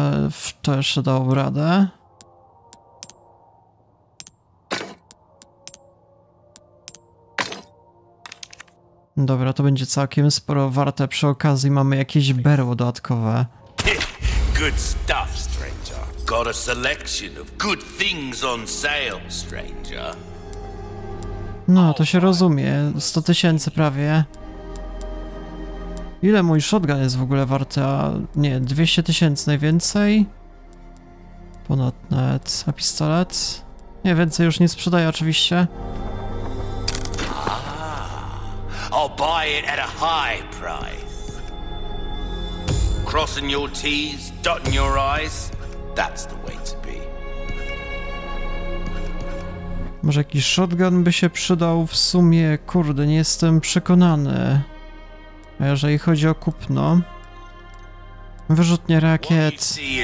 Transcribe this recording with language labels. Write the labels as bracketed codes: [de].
[pl] W to jeszcze dałbym radę. Dobra, to będzie całkiem sporo warte. Przy okazji mamy jakieś berło dodatkowe. [en] Good stuff, stranger. Got a selection of good things on sale, stranger. [pl] No, to się rozumie. 100 tysięcy prawie. Ile mój shotgun jest w ogóle warty? A nie, 200 tysięcy najwięcej. Ponad net. A pistolet? Nie, więcej już nie sprzedaję oczywiście. [en] I'll buy it at a high price. Crossing your T's, dotting your I's, that's the way to be. [pl] Może jakiś shotgun by się przydał w sumie? Kurde, nie jestem przekonany. A jeżeli chodzi o kupno... Wyrzutnie rakiet.